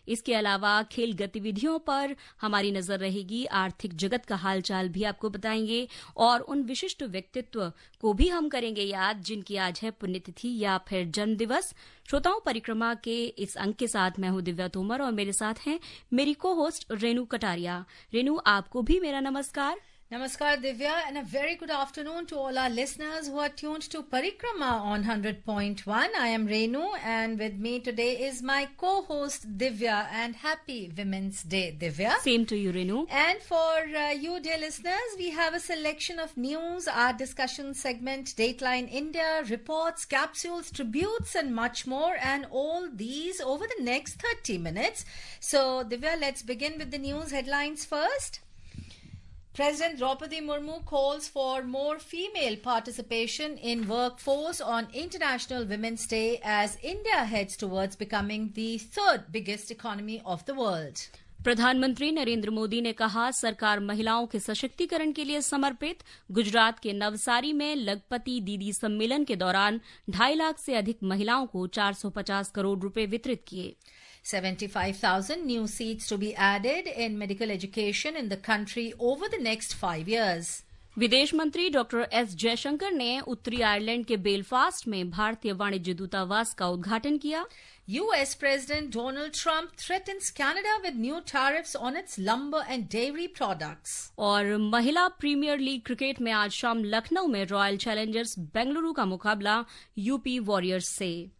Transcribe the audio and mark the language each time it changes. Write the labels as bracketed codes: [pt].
[hi] इसके अलावा खेल गतिविधियों पर हमारी नजर रहेगी, आर्थिक जगत का हालचाल भी आपको बताएंगे और उन विशिष्ट व्यक्तित्व को भी हम करेंगे याद जिनकी आज है पुण्यतिथि या फिर जन्मदिवस। श्रोताओं, परिक्रमा के इस अंक के साथ मैं हूं दिव्या तोमर और मेरे साथ हैं मेरी को होस्ट रेनू कटारिया। रेनू, आपको भी मेरा नमस्कार। [en] Namaskar Divya and a very good afternoon to all our listeners who are tuned to Parikrama on 100.1. I am Renu and with me today is my co-host Divya and happy Women's Day, Divya. Same to you, Renu. And for you, dear listeners, we have a selection of news, our discussion segment, Dateline India, reports, capsules, tributes and much more, and all these over the next 30 minutes. So Divya, let's begin with the news headlines first. President Draupadi Murmu calls for more female participation in workforce on International Women's Day as India heads towards becoming the third biggest economy of the world. [hi] प्रधानमंत्री नरेंद्र मोदी ने कहा, सरकार महिलाओं के सशक्तिकरण के लिए समर्पित। गुजरात के नवसारी में लगपति दीदी सम्मेलन के दौरान 2.5 लाख से अधिक महिलाओं को 450 करोड़ रुपए वितरित किए। [en] 75,000 new seats to be added in medical education in the country over the next 5 years. [hi] विदेश मंत्री डॉ एस जयशंकर ने उत्तरी आयरलैंड के बेलफास्ट में भारतीय वाणिज्य दूतावास का उद्घाटन किया। [en] US President Donald Trump threatens Canada with new tariffs on its lumber and dairy products. [hi] और महिला प्रीमियर लीग क्रिकेट में आज शाम लखनऊ में रॉयल चैलेंजर्स बेंगलुरु का मुकाबला यूपी वॉरियर्स से।